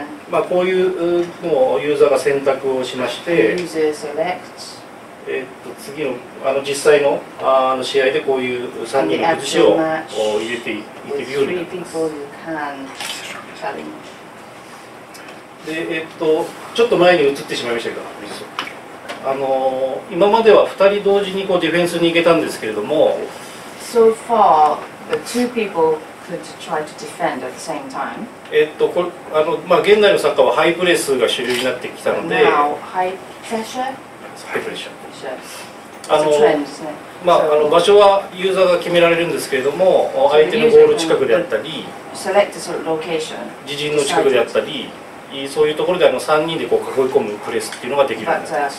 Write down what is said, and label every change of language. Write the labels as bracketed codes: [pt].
[ja] まあ、こういうのをユーザーが選択をしまして、次 の, あの実際 の, あの試合でこういう3人の崩しを入れていけるようになります。で、ちょっと前に映ってしまいましたけど、今までは2人同時にこうディフェンスに行けたんですけれども、 [en] so far, two people could try to defend at the same time. [ja] まあ、現代のサッカーはハイプレスが主流になってきたので、 [en] now, high pressure? [ja] ハイプレッシャー。場所はユーザーが決められるんですけれども、相手のゴール近くであったり、自陣の近くであったり、そういうところで3人でこう囲い込むプレスっていうのができるんです。